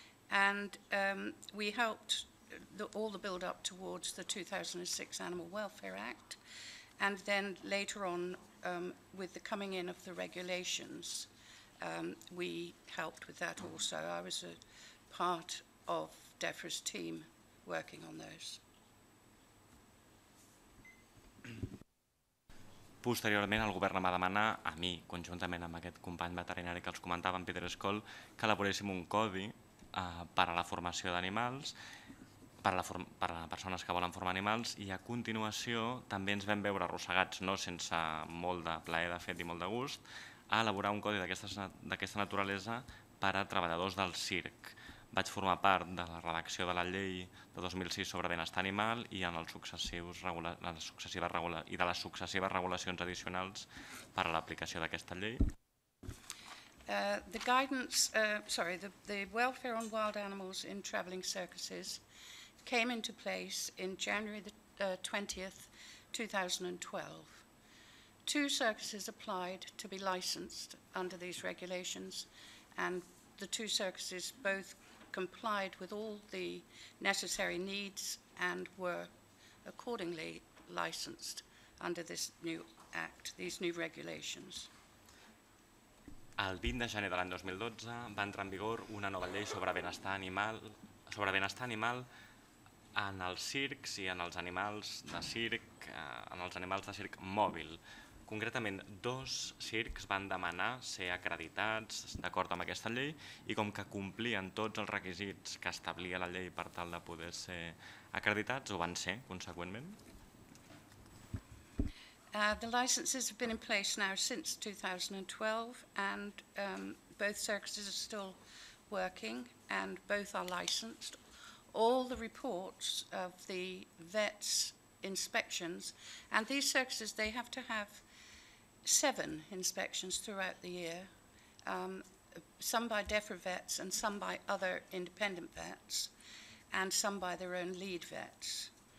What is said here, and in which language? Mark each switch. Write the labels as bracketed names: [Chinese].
[English] And we helped all the build-up towards the 2006 Animal Welfare Act, and then later on, with the coming in of the regulations, we helped with that also. I was a part of DEFRA's team working on those. [Catalan] Posteriorment, el govern em va demanar, a mi, conjuntament amb aquest company veterinari que els comentava, en Peter Scholl, que elaboréssim un codi per a la formació d'animals, per a persones que volen formar animals, i a continuació també ens vam veure arrossegats, no sense molt de plaer de fet i molt de gust, a elaborar un codi d'aquesta naturalesa per a treballadors del circ. Vaig formar part de la redacció de la llei de 2006 sobre benestar animal i en els successius de les successives regulacions addicionals per a l'aplicació d'aquesta llei. [English] The welfare on wild animals in traveling circuses came into place in January the 20th, 2012. Two circuses applied to be licensed under these regulations, and the two circuses both complied with all the necessary needs and were accordingly licensed under this new act, these new regulations. [Catalan] El 20 de gener de l'any 2012 va entrar en vigor una nova llei sobre benestar animal en els circs i en els animals de circ, en els animals de circ mòbil. Concretament, dos circs van demanar ser acreditats d'acord amb aquesta llei i com que complien tots els requisits que establia la llei per tal de poder ser acreditats, ho van ser, conseqüentment? [English] The licenses have been in place now since 2012 and both circuses are still working and both are licensed. All the reports of the vets inspections, and these circuses, they have to have 7 inspections throughout the year, some by DEFRA vets and some by other independent vets and some by their own lead vets.